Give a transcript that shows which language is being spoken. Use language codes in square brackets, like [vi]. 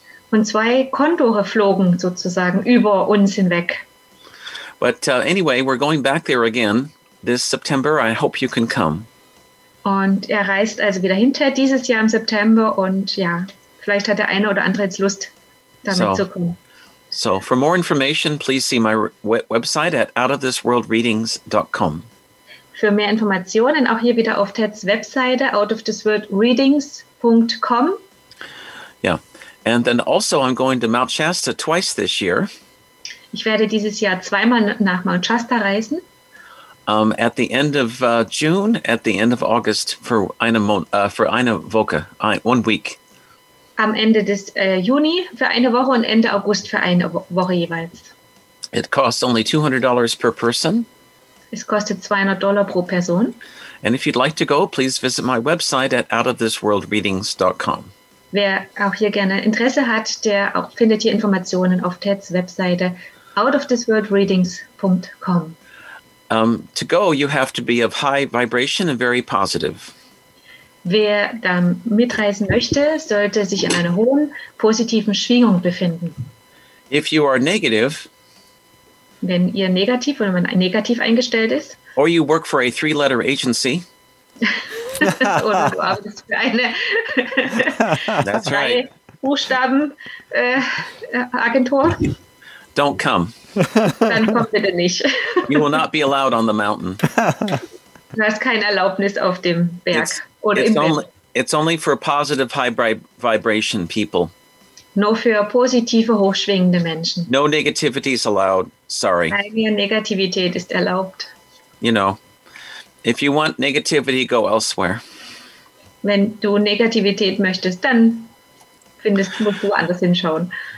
[de] Und 2 Kondore flogen sozusagen über uns hinweg. [en] But anyway, we're going back there again this September. I hope you can come. [de] Und er reist also wieder hinter dieses Jahr im September. Und ja, vielleicht hat der eine oder andere jetzt Lust, damit zu kommen. [en] So, for more information, please see my website at outofthisworldreadings.com. [de] Für mehr Informationen auch hier wieder auf Teds Webseite outofthisworldreadings.com. [en] Yeah, and then also I'm going to Mount Shasta twice this year. [de] Ich werde dieses Jahr 2-mal nach Mount Shasta reisen. [en] At the end of June, at the end of August, for [de] eine Woche, [en] one week. [de] Am Ende des Juni für eine Woche und Ende August für eine Woche jeweils. [en] It costs only $200 per person. [de] Es kostet $200 pro Person. [en] And if you'd like to go, please visit my website at outofthisworldreadings.com. [de] Wer auch hier gerne Interesse hat, der auch findet hier Informationen auf Teds Webseite outofthisworldreadings.com. [en] To go, you have to be of high vibration and very positive. [de] Wer da mitreisen möchte, sollte sich in einer hohen positiven Schwingung befinden. [en] If you are negative, [de] wenn ihr negativ oder man negativ eingestellt ist, [en] or you work for a three-letter agency, [de] oder du arbeitest für eine drei-Buchstaben-Agentur, [en] don't come. [de] Dann kommt bitte nicht. [en] You will not be allowed on the mountain. [de] Du hast keine Erlaubnis auf dem Berg. [en] It's only for positive high vibration people. [de] Nur für positive, hochschwingende Menschen. [en] No negativity is allowed. Sorry. [de] Keine Negativität ist erlaubt. [en] You know, if you want negativity, go elsewhere. [de] Wenn du Negativität möchtest, dann musst du anders hinschauen.